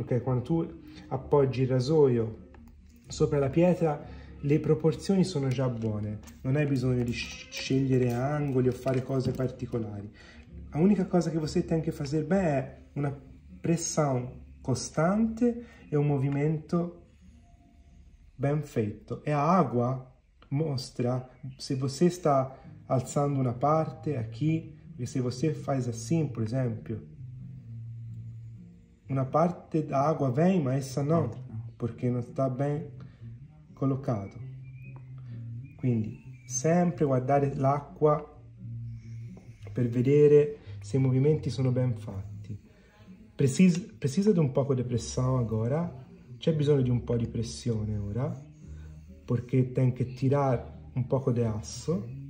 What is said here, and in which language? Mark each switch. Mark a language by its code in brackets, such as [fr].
[it] Ok, quando tu appoggi o rasoio sopra la pietra, le proporzioni sono già buone, non hai bisogno di scegliere angoli o fare cose particolari. [pt] A única coisa que você tem que fazer bem é uma pressão costante e um movimento ben feito. E a água mostra se você está alzando uma parte aqui, e se você faz assim, por exemplo, uma parte da água vem, mas essa não, porque não está bem colocado. [it] Quindi, sempre guardare l'acqua per vedere se i movimenti sono ben fatti. [pt] Precisa di un poco di pressione agora. [it] C'è bisogno di un po' di pressione ora, perché [pt] tem che tirar un poco [it] di asso.